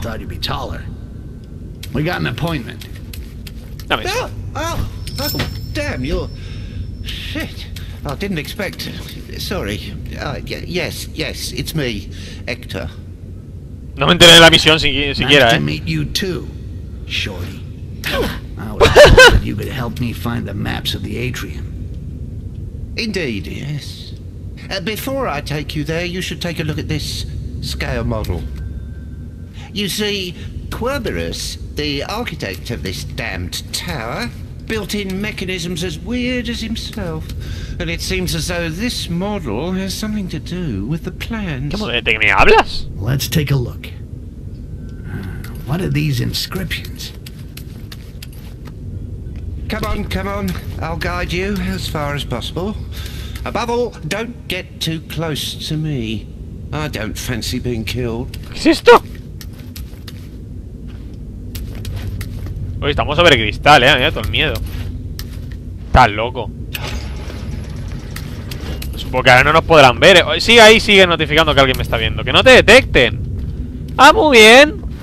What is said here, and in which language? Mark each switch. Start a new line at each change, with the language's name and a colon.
English: Thought you'd be taller. We got an appointment.
Spanish: Dame.
English: Oh, damn, you're... Shit. I didn't expect... Sorry. Yes, it's me, Hector.
Spanish: No me enteré de la misión siquiera, ¿eh?
English: Nice to meet you too, Shorty. You could help me find the maps of the atrium. Indeed, yes. Before I take you there, you should take a look at this scale model. You see, Querberus, the architect of this damned tower, built in mechanisms as weird as himself. And it seems as though this model has something to do with the plans.
Spanish: ¿Qué modelo de qué me hablas?
English: Let's take a look. What are these inscriptions? Come on, come on. I'll guide you as far as possible. Above all, don't get too close to me. I don't fancy being killed.
Spanish: ¿Qué es esto? Oye, estamos sobre cristal, ¿eh? Mira, todo el miedo. Está loco. Supongo que ahora no nos podrán ver. Sí, ahí sigue notificando que alguien me está viendo. ¡Que no te detecten! ¡Ah, muy bien!